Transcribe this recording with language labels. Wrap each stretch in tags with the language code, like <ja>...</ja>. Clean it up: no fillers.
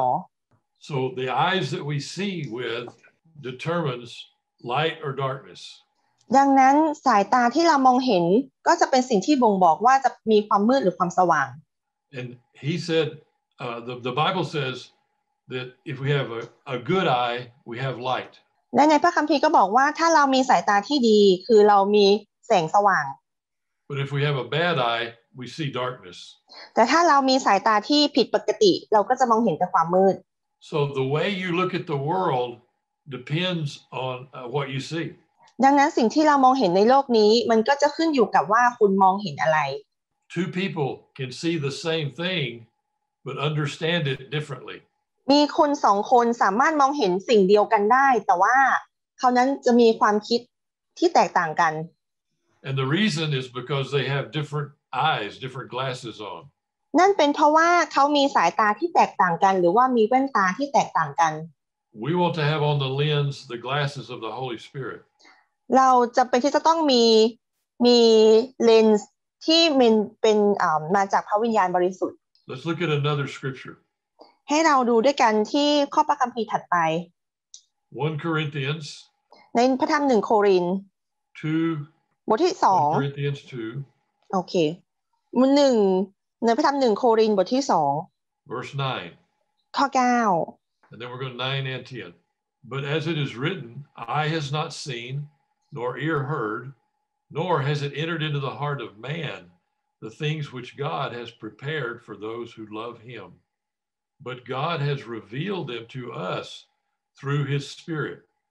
<en>อ So the eyes that we see with determines light or darkness</en> <th>ดังนั้นสายตาที่เรามองเห็นก็จะเป็นสิ่งที่บ่งบอกว่าจะมีความมืดหรือความสว่าง</th> <en>And he said the Bible says that if we have a good eye we have light</en> <th>และในพระคัมภีร์ก็บอกว่าถ้าเรามีสายตาที่ดีคือเรามีแสงสว่าง</th> <en>But if we have a bad eye we see darkness</en> <th>แต่ถ้าเรามีสายตาที่ผิดปกติเราก็จะมองเห็นแต่ความมืด</th> <en>So the way you look at the world depends on what you see</en> <th>ดังนั้นสิ่งที่เรามองเห็นในโลกนี้มันก็จะขึ้นอยู่กับว่าคุณมองเห็นอะไร</th> <en>Two people can see the same thing but understand it differently</en> <th>มีคน2คนสามารถมองเห็นสิ่งเดียวกันได้แต่ว่าเขานั้นจะมีความคิดที่แตกต่างกัน</th> <en>And the reason is because they have different eyes different glasses on</en> <th>นั่นเป็นเพราะว่าเขามีสายตาที่แตกต่างกันหรือว่ามีแว่นตาที่แตกต่างกัน</th> <en>We want to have on the lens the glasses of the Holy Spirit</en> <th>เราจำเป็นที่จะต้องมีเลนส์ที่เป็นมาจากพระวิญญาณบริสุทธิ์</th> <en>Let's look at another scripture</en> <th>ให้เราดูด้วยกันที่ข้อพระคัมภีร์ถัดไป</th> <en>1 Corinthians</en> <th>ในพระธรรม1โครินธ์2 บทที่2</th> <en>1 Corinthians 2</en> <th>โอเคมุ1ในพระธรรม1โครินธ์บทที่2</th> <en>verse 9</en> <th>ข้อ9</th> <en>And then we're going to 9 and 10 But as it is written eye has not seenNor ear heard, nor has it entered into the heart of man the things which God has prepared for those who love him. But God has revealed them to us through his Spirit.</en>